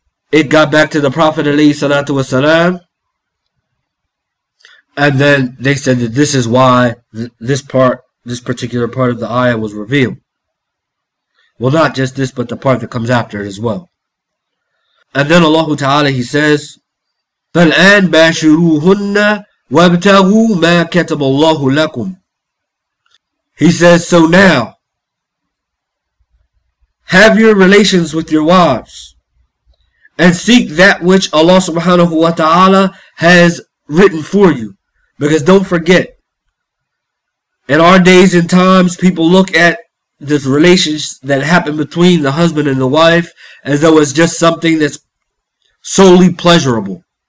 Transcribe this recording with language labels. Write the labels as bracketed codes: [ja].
[en] It got back to the Prophet alayhi salatu wasalam, and then they said that this is why this particular part of the ayah was revealed. Well, not just this, but the part that comes after it as well. And then Allah Ta'ala, he says, [ar] فَالْآنْ بَاشِرُوهُنَّ وَابْتَغُوا مَا كَتَبَ اللَّهُ لَكُمْ. [en] He says, so now, have your relations with your wives, and seek that which Allah subhanahu wa ta'ala has written for you. Because don't forget, in our days and times, people look at this relationship that happened between the husband and the wife as though it's just something that's solely pleasurable.